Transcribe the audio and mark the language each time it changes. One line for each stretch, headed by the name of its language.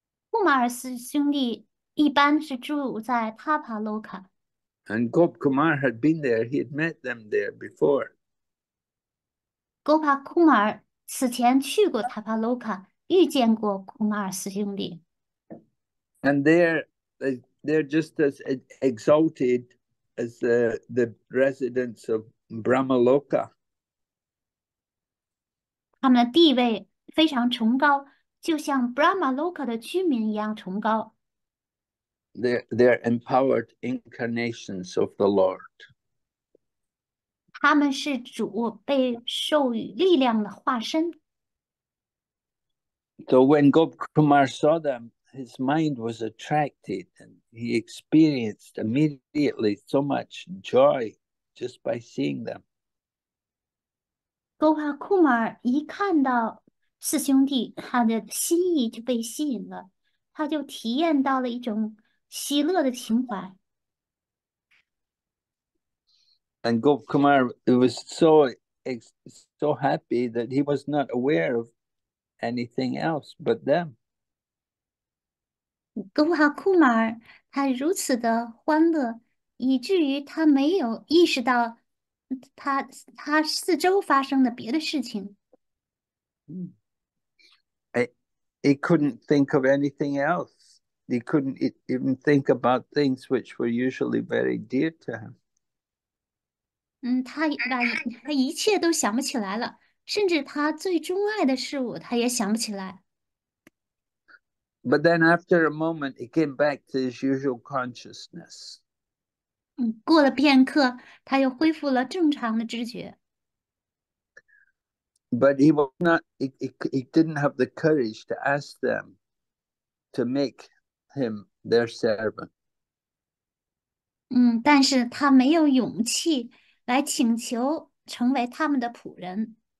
Chinese: 库马尔四兄弟一般是住在塔帕洛卡。
English: And Gop Kumar had been there, he had met them there before.
Chinese: Gopa Kumar 此前去过塔帕卢卡，遇见过库马尔四兄弟。
English: And they're just as exalted as the residents of Brahmaloka.
Chinese: 他们的地位非常崇高，就像 Brahma Loka 的居民一样崇高。
English: They're empowered incarnations of the Lord.
Chinese: 他们是主被授予力量的化身。
English: So when Gopkumar saw them, his mind was attracted and he experienced immediately so much joy just by seeing them.
Chinese: Gopa Kumar 一看到四兄弟，他的心意就被吸引了，他就体验到了一种喜乐的情怀。
English: And Gopkumar was so happy that he was not aware of anything else but them.
Chinese: Gopa Kumar 他如此的欢乐，以至于他没有意识到。他四周发生的别的事情，
English: He couldn't think of anything else. He couldn't even think about things which were usually very dear to him.
Chinese: 他一切都想不起来了，甚至他最钟爱的事物，他也想不起来。
English: But then after a moment, he came back to his usual consciousness.
Chinese: 过了片刻，他又恢复了正常的知觉。
English: But he was not, he didn't have the courage to ask them to make him their servant.
Chinese: 但是他没有勇气来请求成为他们的仆人。